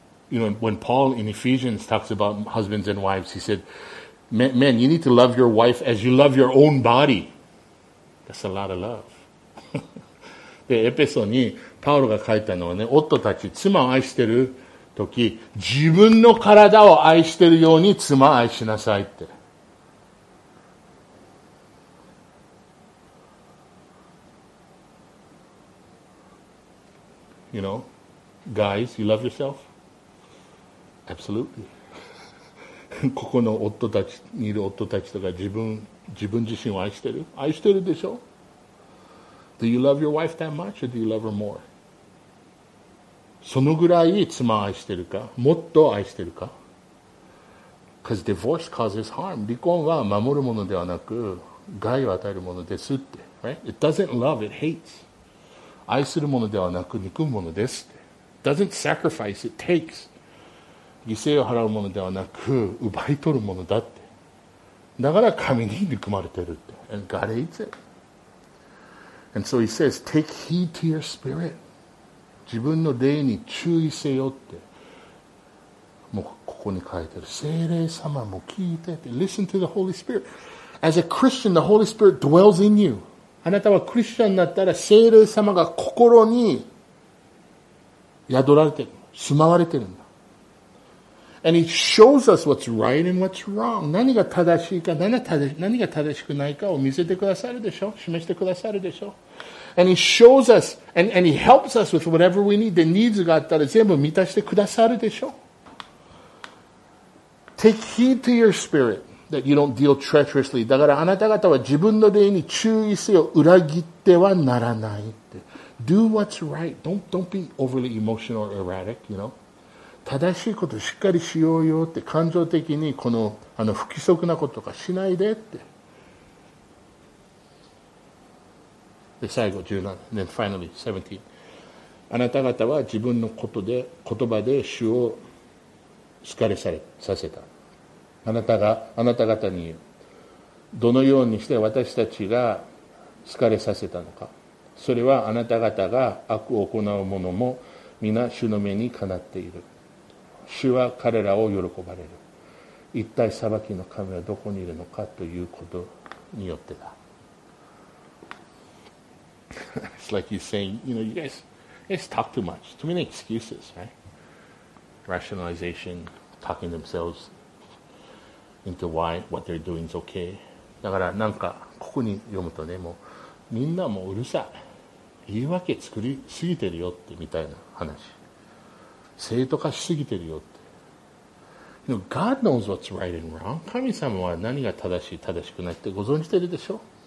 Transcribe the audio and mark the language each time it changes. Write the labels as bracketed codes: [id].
[en] You know, when Paul in Ephesians talks about husbands and wives, he said, men, you need to love your wife as you love your own body. That's a lot of love. [ja] で、エペソにパウロが書いたのはね、夫たち、妻を愛してる時、自分の体を愛してるように妻を愛しなさいって。 [en] You know, guys, you love yourself? Absolutely. [ja] ここの夫たちにいる夫たちとか自分自身を愛してる？愛してるでしょ？ [en] Do you love your wife that much or do you love her more? [ja] そのぐらい妻を愛してるか？もっと愛してるか？ [en] Because divorce causes harm. [ja] 離婚は守るものではなく害を与えるものですって。 [en] Right? It doesn't love, it hates. [ja] 愛するものではなく憎むものです。 [en] Doesn't sacrifice, it takes. [ja] 犠牲を払うものではなく奪い取るものだって。だから神に憎まれてるって。 [en] And God hates it. And so he says, take heed to your spirit. [ja] 自分の霊に注意せよって。もうここに書いてる。聖霊様も聞いてて。 [en] Listen to the Holy Spirit. As a Christian, the Holy Spirit dwells in you. [ja] あなたはクリスチャンになったら聖霊様が心に宿られてる。住まわれてるんだ。 [en] And he shows us what's right and what's wrong. [ja] 何が正しいか、何が正しくないかを見せてくださるでしょ。示してくださるでしょ。 [en] And he shows us, and he helps us with whatever we need. The needs [ja] があったら全部満たしてくださるでしょ。 [en] Take heed to your spirit. That you don't deal treacherously. [ja] だからあなた方は自分の霊に注意せよ。裏切ってはならないって。 [en] Do what's right. Don't be overly emotional or erratic, you know. [ja] 正しいことしっかりしようよって感情的にこの、あの不規則なこととかしないでって。で、最後17。 [en] And then finally, 17. [ja] あなた方は自分のことで、言葉で主を好かれさせた。あなた方にどのようにして私たちが好かれさせたのか。それはあなた方が悪を行う者も皆主の目にかなっている。主は彼らを喜ばれる。一体裁きの神はどこにいるのかということによってだ。 [en] It's like he's saying, you know, you guys talk too much. Too many excuses, right? Rationalization, talking themselves. Into why what they're doing is okay. [ja] だからなんかここに読むとね、もうみんなもううるさい、言い訳作りすぎてるよってみたいな話、正当化しすぎてるよって。 [en] You know, God knows what's right and wrong. [ja] 神様は何が正しい正しくないってご存じてるでしょ。